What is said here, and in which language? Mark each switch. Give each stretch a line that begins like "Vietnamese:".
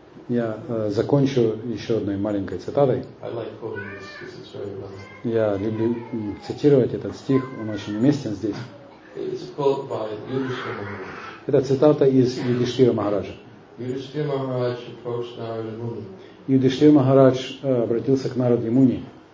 Russian: Я закончу еще одной маленькой цитатой.
English: I like quoting this because it's very relevant.
Russian: Я люблю цитировать этот стих, он очень уместен здесь.
English: It's a quote by Yudhishthira Maharaj.
Russian: Это цитата из Юдхиштхира Махараджа.
English: Yudhishthira Maharaj approached Narada Muni.
Russian: Юдхиштхира Махарадж обратился к Нараде Муни.